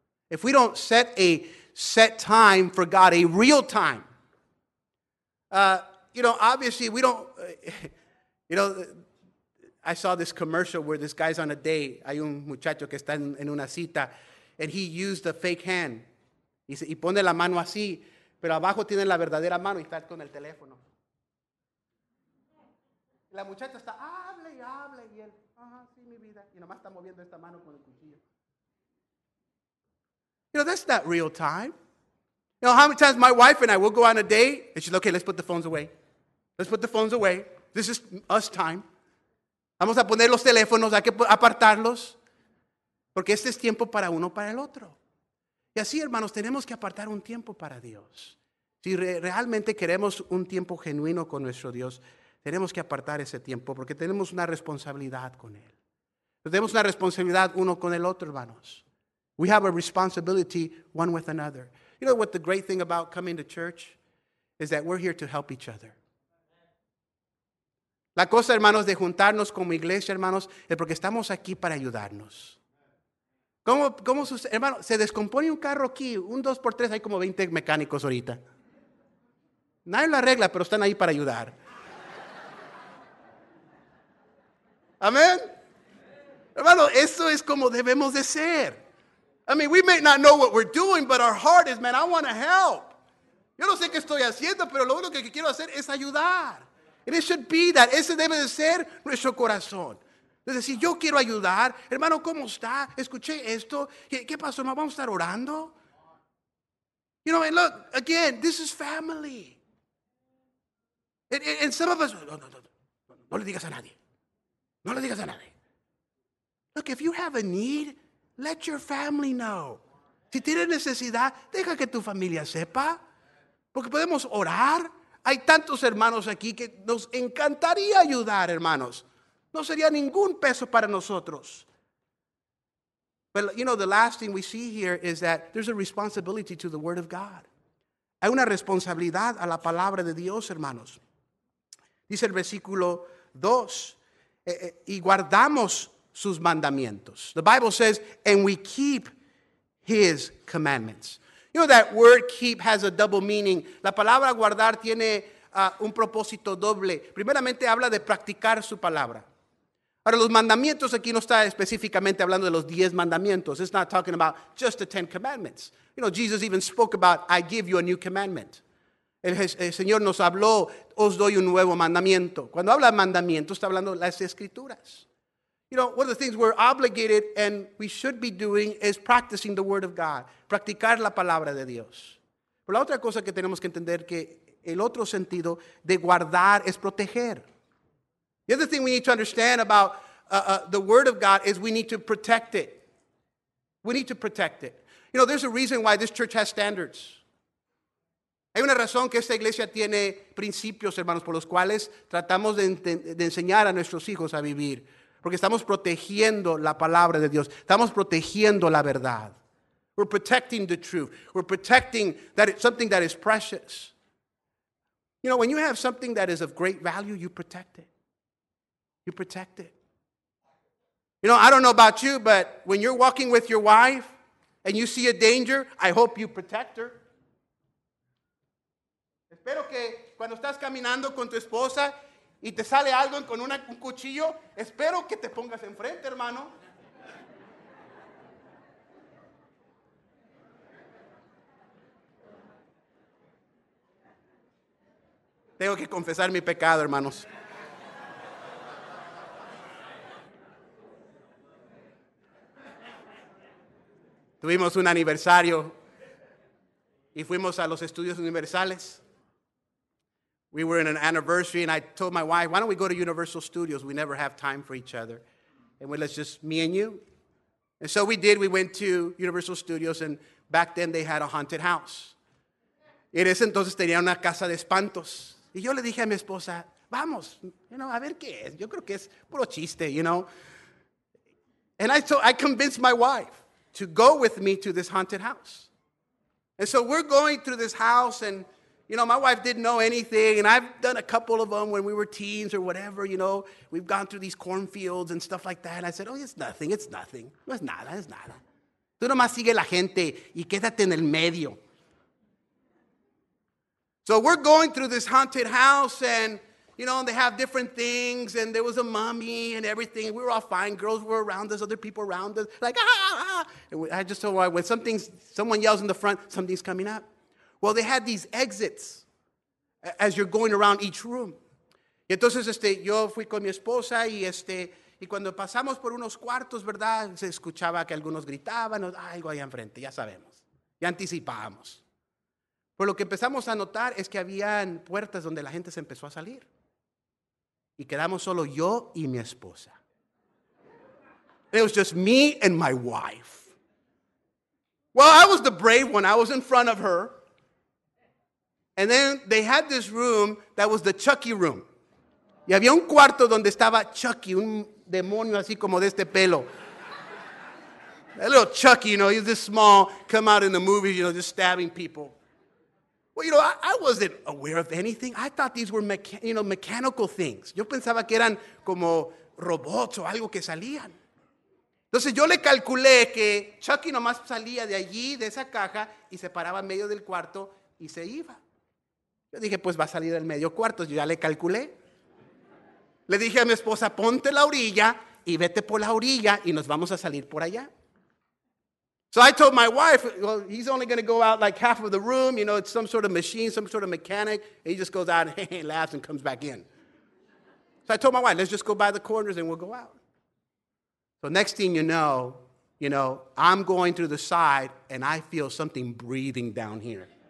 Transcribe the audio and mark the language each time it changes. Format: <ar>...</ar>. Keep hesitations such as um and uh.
<en>If we don't set a set time for God, a real time, uh, you know, obviously we don't, you know, I saw this commercial where this guy's on a date.</en> <es>Hay un muchacho que está en, en una cita,</es> <en>and he used a fake hand.</en> <es>Y, se, y pone la mano así, pero abajo tiene la verdadera mano y está con el teléfono. La muchacha está, hable y hable, y él, ah, sí, mi vida. Y nomás está moviendo esta mano con el cuchillo.</es> <en>You know, that's not real time. You know how many times my wife and I will go on a date and she's like, okay, let's put the phones away. Let's put the phones away. This is us time.</en> <es>Vamos a poner los teléfonos, hay que apartarlos. Porque este es tiempo para uno, para el otro. Y así, hermanos, tenemos que apartar un tiempo para Dios. Si re- realmente queremos un tiempo genuino con nuestro Dios, tenemos que apartar ese tiempo porque tenemos una responsabilidad con Él. Tenemos una responsabilidad uno con el otro, hermanos.</es> <en>We have a responsibility one with another. You know what the great thing about coming to church is that we're here to help each other.</en> <es>La cosa, hermanos, de juntarnos como iglesia, hermanos, es porque estamos aquí para ayudarnos. ¿Cómo, cómo sus, hermano, se descompone un carro aquí, un 2x3, hay como 20 mecánicos ahorita. Nadie lo arregla, pero están ahí para ayudar. Amén. Hermano, eso es como debemos de ser.</es> <en>I mean, we may not know what we're doing, but our heart is, man, I want to help.</en> <es>Yo no sé qué estoy haciendo, pero lo único que quiero hacer es ayudar.</es> <en>And it should be that.</en> <es>Ese debe de ser nuestro corazón. Es decir, yo quiero ayudar. Hermano, ¿cómo está? Escuché esto. ¿Qué, qué pasó, hermano? ¿Vamos a estar orando?</es> <en>You know, and look, again, this is family. And, and- and some of us,</en> <es>no, no, no, no, no le digas a nadie.</es> <en>No le digas a nadie. Look, if you have a need, let your family know.</en> <es>Si tienes necesidad, deja que tu familia sepa. Porque podemos orar. Hay tantos hermanos aquí que nos encantaría ayudar, hermanos. No sería ningún peso para nosotros.</es> <en>But you know, the last thing we see here is that there's a responsibility to the Word of God.</en> <es>Hay una responsabilidad a la palabra de Dios, hermanos. Dice el versículo 2, eh, eh, y guardamos sus mandamientos.</es> <en>The Bible says, and we keep his commandments. You know that word keep has a double meaning.</en> <es>La palabra guardar tiene ah, un propósito doble. Primeramente habla de practicar su palabra. Ahora, los mandamientos aquí no está específicamente hablando de los diez mandamientos. It's not talking about just the Ten Commandments. You know, Jesus even spoke about, I give you a new commandment. El, Jes- el Señor nos habló, os doy un nuevo mandamiento. Cuando habla de mandamiento, está hablando de las escrituras.</es> <en>You know, one of the things we're obligated and we should be doing is practicing the Word of God,</en> <es>practicar la palabra de Dios. Pero la otra cosa que tenemos que entender que el otro sentido de guardar es proteger.</es> <en>The other thing we need to understand about uh, uh, the Word of God is we need to protect it. We need to protect it. You know, there's a reason why this church has standards.</en> <es>Hay una razón que esta iglesia tiene principios, hermanos, por los cuales tratamos de, enten- de enseñar a nuestros hijos a vivir. Porque estamos protegiendo la palabra de Dios. Estamos protegiendo la verdad.</es> <en>We're protecting the truth. We're protecting that it's something that is precious. You know, when you have something that is of great value, you protect it. You protect it. You know, I don't know about you, but when you're walking with your wife and you see a danger, I hope you protect her.</en> <es>Espero que cuando estás caminando con tu esposa y te sale algo con una- un cuchillo, espero que te pongas enfrente, hermano. Tengo que confesar mi pecado, hermanos. Tuvimos un aniversario y fuimos a los estudios universales.</es> <en>We were in an anniversary, and I told my wife, Why don't we go to Universal Studios? We never have time for each other. And we, let's just me and you. And so we did. We went to Universal Studios, and back then they had a haunted house.</en> <es>Y en ese entonces tenía una casa de espantos. Y yo le dije a mi esposa, Vamos, you know, a ver qué es. Yo creo que es puro chiste, you know.</es> <en>And I, so I convinced my wife to go with me to this haunted house. And so we're going through this house, and you know, my wife didn't know anything, and I've done a couple of them when we were teens or whatever. You know, we've gone through these cornfields and stuff like that. And I said, "Oh, it's nothing. It's nothing.</en> <es>No es nada. Es nada. Tú nomás sigue la gente y quédate en el medio."</es> <en>So we're going through this haunted house, and you know, and they have different things, and there was a mummy and everything. We were all fine. Girls were around us, other people around us, like ah, ah, ah. And we- I just told her when something's someone yells in the front, something's coming up. Well, they had these exits a- as you're going around each room.</en> <es>Y entonces este, yo fui con mi esposa y este y cuando pasamos por unos cuartos, ¿verdad? Se escuchaba que algunos gritaban, o- algo ahí enfrente, ya sabemos. Ya anticipábamos. Pero lo que empezamos a notar es que habían puertas donde la gente se empezó a salir. Y quedamos solo yo y mi esposa.</es> <en>and it was just me and my wife. Well, I was the brave one, I was in front of her. And then they had this room that was the Chucky room.</en> <es>Y había un cuarto donde estaba Chucky, un demonio así como de este pelo.</es> <en>That little Chucky, you know, he's this small, come out in the movies, you know, just stabbing people. Well, you know, I, I wasn't aware of anything. I thought these were, mecha- you know, mechanical things.</en> <es>Yo pensaba que eran como robots o algo que salían. Entonces yo le calculé que Chucky nomás salía de allí, de esa caja, y se paraba en medio del cuarto y se iba. Yo dije, pues va a salir del medio cuarto. Yo ya le calculé. Le dije a mi esposa, ponte la orilla y vete por la orilla y nos vamos a salir por allá.</es> <en>So I told my wife, well, he's only going to go out like half of the room. You know, it's some sort of machine, some sort of mechanic. And he just goes out and laughs and comes back in. So I told my wife, let's just go by the corners and we'll go out. So next thing you know, you know, I'm going through the side and I feel something breathing down here.</en>